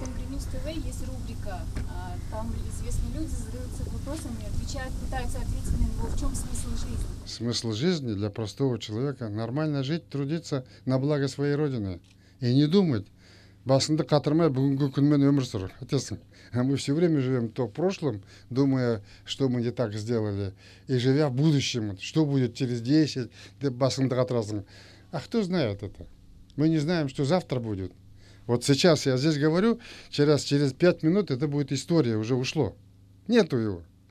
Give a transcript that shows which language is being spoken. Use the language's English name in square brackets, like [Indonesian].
[Russian] News TV есть рубрика, там известные люди задаются вопросами, отвечают, пытаются ответить на него, в чем смысл жизни. Смысл жизни для простого человека – нормально жить, трудиться на благо своей Родины и не думать. [Kazakh] Басында қатырмай бүгінгі күнмен өмір сүр. [Russian] Мы все время живем то в прошлом, думая, что мы не так сделали, и живя в будущем, что будет через 10, [Kazakh] басында қатырасың. [Russian] А кто знает это? Мы не знаем, что завтра будет. Вот сейчас я здесь говорю, через 5 минут это будет история, уже ушло. Нету его.